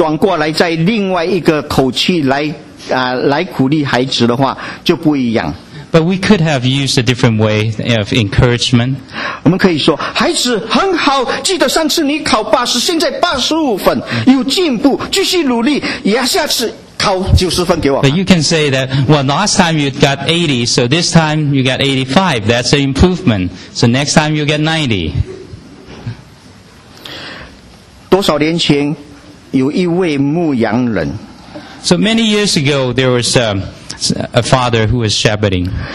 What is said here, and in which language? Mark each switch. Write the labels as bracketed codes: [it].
[zh] 如果我们转过来再另外一个口气来, 来鼓励孩子的话, 就不一样。 [en] But we could have used a different way of encouragement. [zh] 我们可以说, 孩子很好, 记得上次你考80, 现在85分, 有进步, 继续努力, 下次考90分给我。 [en] But you can say that, well, last time you got 80, so this time you got 85. That's an improvement. So next time you get 90. [zh] 多少年前, 有一位牧羊人, [en] so many years ago, there was a father who was shepherding.